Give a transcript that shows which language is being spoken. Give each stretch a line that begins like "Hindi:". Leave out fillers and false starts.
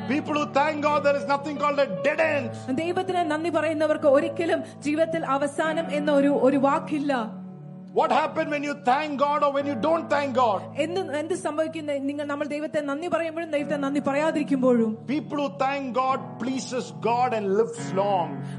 English: People who thank God there is nothing called a dead end.
Malayalam: ദൈവത്തിനെ നന്ദി പറയുന്നവർക്ക് ഒരിക്കലും ജീവിതത്തിൽ അവസാനം എന്ന ഒരു വാക്കില്ല.
English: What happen when you thank God or when you don't thank God?
Malayalam: എന്തു സംഭവിക്കുന്നു നിങ്ങൾ നമ്മൾ ദൈവത്തെ നന്ദി പറയുമ്പോഴും ദൈവത്തെ നന്ദി പറയാതിരിക്കുമ്പോഴും?
English: People who thank God pleases God and lives long.